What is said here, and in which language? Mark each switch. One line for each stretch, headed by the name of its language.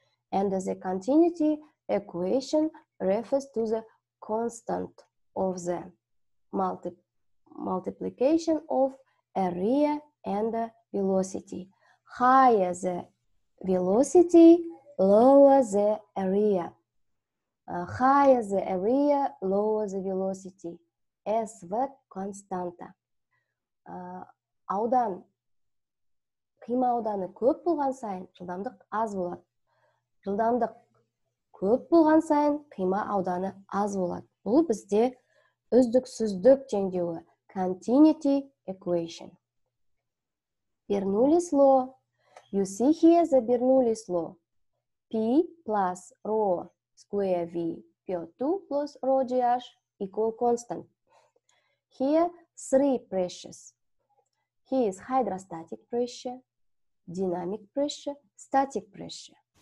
English: And the continuity equation refers to the constant of the multiplication of area and velocity. Higher the velocity, lower the area. Higher the area, lower the velocity.
Kazakh: SV константа. Аудан. Қима ауданы көп болған сайын, жылдамдық аз болады. Жылдамдық көп болған сайын, қима ауданы аз болады. Бұл бізде үздік-сүздік теңдеуі, continuity equation.
English: Bernoulli's law. You see here the Bernoulli's law. P plus rho square V pi 2 plus rho gh equal constant. Here three pressures. Here is hydrostatic pressure, dynamic pressure, static pressure.